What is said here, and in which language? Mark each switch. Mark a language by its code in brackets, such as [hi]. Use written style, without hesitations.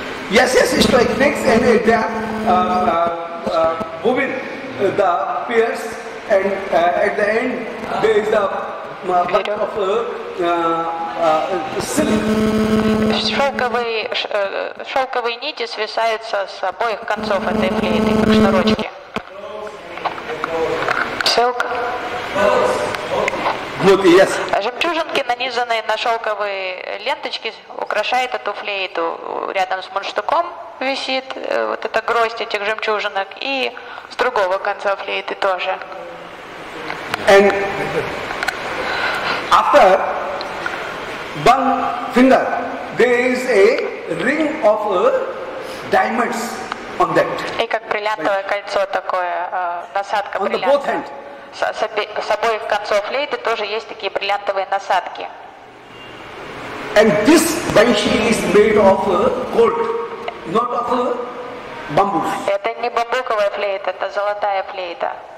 [en] Yes, yes, it's like next, and they are woven the pears, and at the end there is the [ru] шелковые нити свисают с обоих концов этой флейты, как шнурочки. [en] Silk. Look, yes. [ru] Жемчужинки, нанизанные на шелковые ленточки, украшают эту флейту. Рядом с мундштуком висит вот эта гроздь этих жемчужинок, и с другого конца флейты тоже. [en] And after one finger, there is a ring of diamonds on that. [ru] И как бриллиантовое кольцо такое, насадка бриллиантов. [en] On both hands. [ru] С обоих концов флейты тоже есть такие бриллиантовые насадки. [en] And this banshi is made of gold, not of bamboo. [ru] Это не бамбуковая флейта, это золотая флейта.